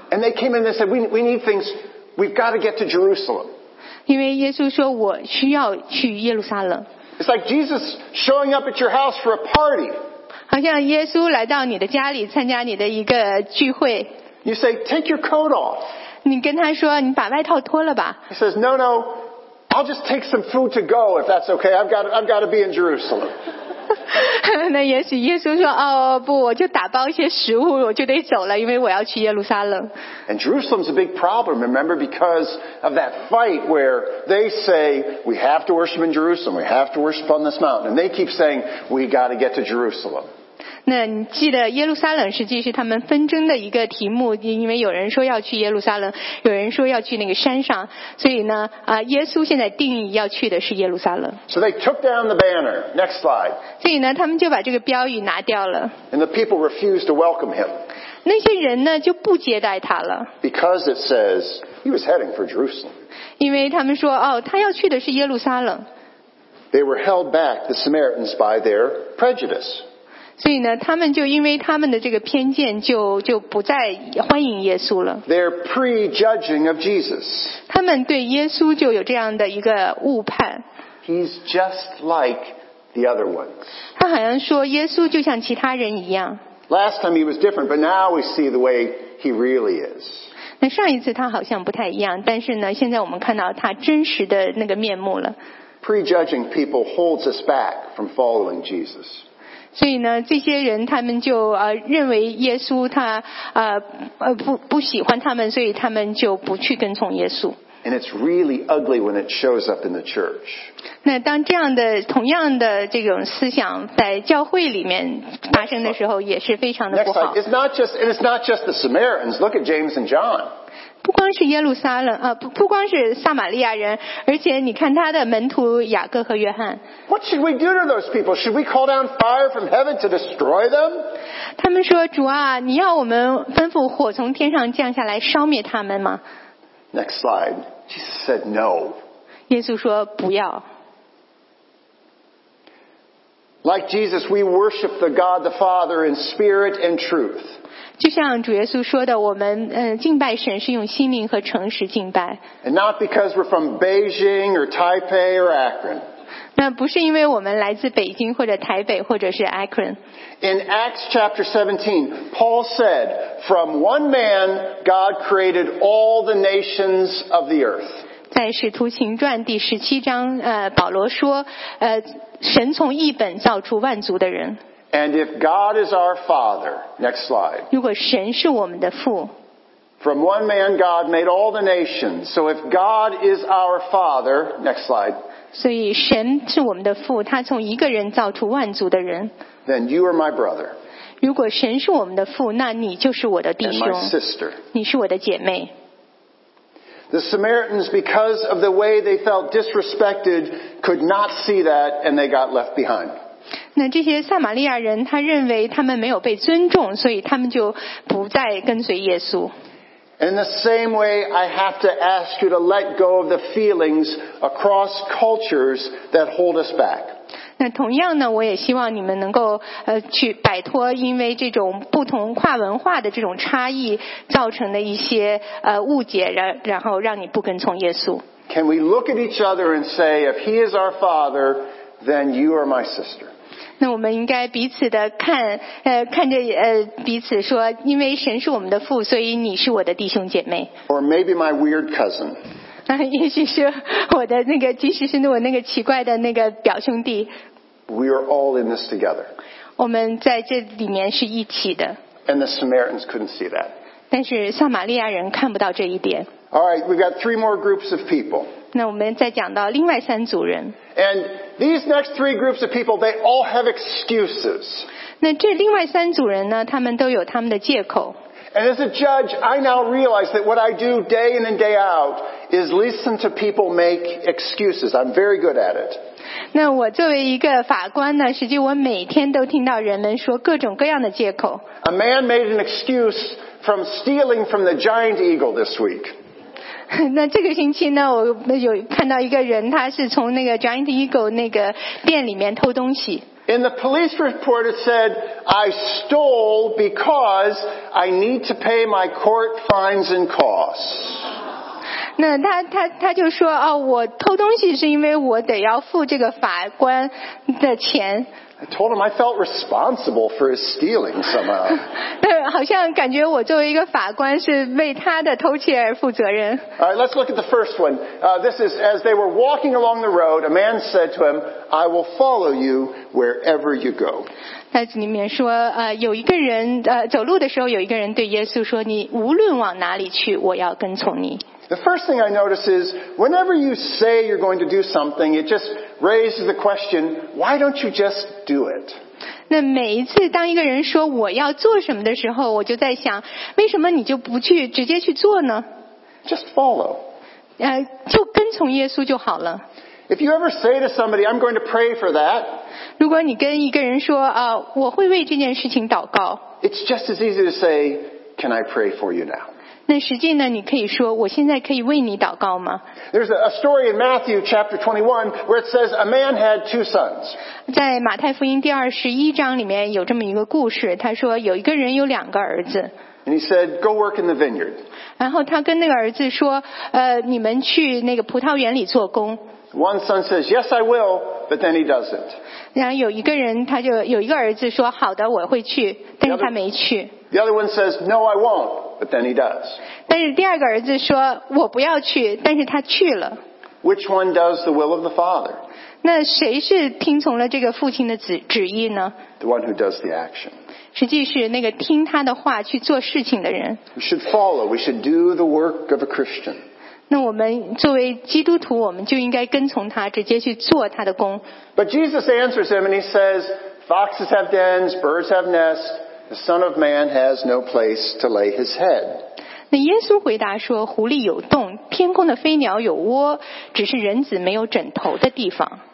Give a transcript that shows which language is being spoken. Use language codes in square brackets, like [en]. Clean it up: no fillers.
[en] And they came in and said, "We need things. We've got to get to Jerusalem." [zh] 因为耶稣说，我需要去耶路撒冷。 [en] It's like Jesus showing up at your house for a party. [zh] 好像耶稣来到你的家里参加你的一个聚会。 [en] You say, "Take your coat off." [zh] 你跟他说，你把外套脱了吧。 [en] He says, "No, no, I'll just take some food to go if that's okay. I've got to be in Jerusalem." [zh] 那也许耶稣说，哦，不，我就打包一些食物，我就得走了，因为我要去耶路撒冷。 [en] And Jerusalem's a big problem, remember, because of that fight where they say, we have to worship in Jerusalem, we have to worship on this mountain. And they keep saying, we got to get to Jerusalem. [zh] 那你记得耶路撒冷实际是他们纷争的一个题目，因为有人说要去耶路撒冷，有人说要去那个山上，所以呢，耶稣现在定义要去的是耶路撒冷。 [en] So they took down the banner. Next slide. [zh] 所以呢，他们就把这个标语拿掉了。 [en] And the people refused to welcome him. [zh] 那些人呢，就不接待他了。 [en] Because it says he was heading for Jerusalem. [zh] 因为他们说，哦，他要去的是耶路撒冷。 [en] They were held back, the Samaritans, by their prejudice. [zh] 所以呢，他们就因为他们的这个偏见就不再欢迎耶稣了。 [en] They're prejudging of Jesus. [zh] 他们对耶稣就有这样的一个误判。 [en] He's just like the other ones. [zh] 他好像说耶稣就像其他人一样。 [en] Last time he was different, but now we see the way he really is. [zh] 那上一次他好像不太一样，但是呢，现在我们看到他真实的那个面目了。 [en] Prejudging people holds us back from following Jesus. [zh] 所以呢，这些人他们就认为耶稣他不喜欢他们，所以他们就不去跟从耶稣。 [en] And it's really ugly when it shows up in the church. [zh] 那当这样的同样的这种思想在教会里面发生的时候，也是非常的不好。 [en] Next slide. It's not just the Samaritans. Look at James and John. [zh] 不光是耶路撒冷不光是撒玛利亚人，而且你看他的门徒雅各和约翰。 [en] What should we do to those people? Should we call down fire from heaven to destroy them? [zh] 他们说，主啊，你要我们吩咐火从天上降下来烧灭他们吗？ [en] Next slide. Jesus said no. [zh] 耶稣说不要。 [en] Like Jesus, we worship the God the Father in spirit and truth. [zh] 就像主耶稣说的，我们敬拜神是用心灵和诚实敬拜。 [en] And not because we're from Beijing or Taipei or Akron. [zh] 那不是因为我们来自北京或者台北或者是 Akron. [en] In Acts chapter 17, Paul said, "From one man, God created all the nations of the earth." [zh] 在使徒行传第十七章，保罗说，神从一本造出万族的人。 [en] And if God is our Father, next slide. [zh] 如果神是我们的父。 [en] From one man, God made all the nations. So if God is our Father, next slide. [zh] 所以神是我们的父，他从一个人造出万族的人。 [en] Then you are my brother. [zh] 如果神是我们的父，那你就是我的弟兄。 [en] And my sister. [zh] 你是我的姐妹。 [en] The Samaritans, because of the way they felt disrespected, could not see that, and they got left behind. [zh] 那这些撒玛利亚人他认为他们没有被尊重，所以他们就不再跟随耶稣。 [en] In the same way, I have to ask you to let go of the feelings across cultures that hold us back. [zh] 那同样呢，我也希望你们能够去摆脱因为这种不同跨文化的这种差异造成的一些误解，然后让你不跟从耶稣。 [en] Can we look at each other and say, if he is our father, then you are my sister? [zh] 那我们应该彼此的看看着彼此说，因为神是我们的父，所以你是我的弟兄姐妹。 [en] Or maybe my weird cousin. [zh] 也许是我的那个，即使是我那个奇怪的那个表兄弟。 [en] We are all in this together. [zh] 我们在这里面是一起的。 [en] And the Samaritans couldn't see that. [zh] 但是撒玛利亚人看不到这一点。 [en] All right, we've got three more groups of people. [zh] 那我们再讲到另外三组人。 [en] And these next three groups of people, they all have excuses. [zh] 那这另外三组人呢，他们都有他们的借口。 [en] And as a judge, I now realize that what I do day in and day out is listen to people make excuses. I'm very good at it. [zh] 那我作为一个法官呢，实际我每天都听到人们说各种各样的借口。 [en] A man made an excuse from stealing from the giant eagle this week. [zh] 那这个星期呢，我有看到一个人，他是从那个 Giant Eagle 那个店里面偷东西。 [en] In the police report, it said I stole because I need to pay my court fines and costs. [zh] 那他就说，哦，我偷东西是因为我得要付这个法官的钱。 [en] I told him I felt responsible for his stealing somehow. [zh] 对，好像感觉我作为一个法官是为他的偷窃而负责任。 [en] All right, let's look at the first one. This is as they were walking along the road, a man said to him, "I will follow you wherever you go." [zh] 在这里面说，有一个人，走路的时候有一个人对耶稣说，你无论往哪里去，我要跟从你。 [en] The first thing I notice is whenever you say you're going to do something, it just raises the question, why don't you just do it? [zh] 那每一次当一个人说我要做什么的时候，我就在想，为什么你就不去直接去做呢？ [en] Just follow. [zh] 就跟从耶稣就好了。 [en] If you ever say to somebody, I'm going to pray for that, [zh] 如果你跟一个人说，我会为这件事情祷告。 [en] It's just as easy to say, can I pray for you now? [zh] 那实际呢你可以说我现在可以为你祷告吗 [en] There's a story in Matthew chapter 21 where it says a man had two sons. [zh] 在马太福音第二十一章里面有这么一个故事他说有一个人有两个儿子。 [en] And he said, go work in the vineyard. [zh] 然后他跟那个儿子说你们去那个葡萄园里做工。 [en] One son says, yes, I will, but then he doesn't. [zh] 然后有一个人他就有一个儿子说好的我会去但是他没去。 [en] The other one says, no, I won't. But then he does. [zh] 但是第二个儿子说我不要去但是他去了。 [en] Which one does the will of the father? [zh] 那谁是听从了这个父亲的旨意呢? [en] The one who does the action. [zh] 实际是那个听他的话去做事情的人。 [en] We should follow. We should do the work of a Christian. [zh] 那我们作为基督徒我们就应该跟从他直接去做他的工。 [en] But Jesus answers him and he says, Foxes have dens, birds have nests. The Son of Man has no place to lay his head. [zh] 那耶稣回答说，狐狸有洞，天空的飞鸟有窝，只是人子没有枕头的地方。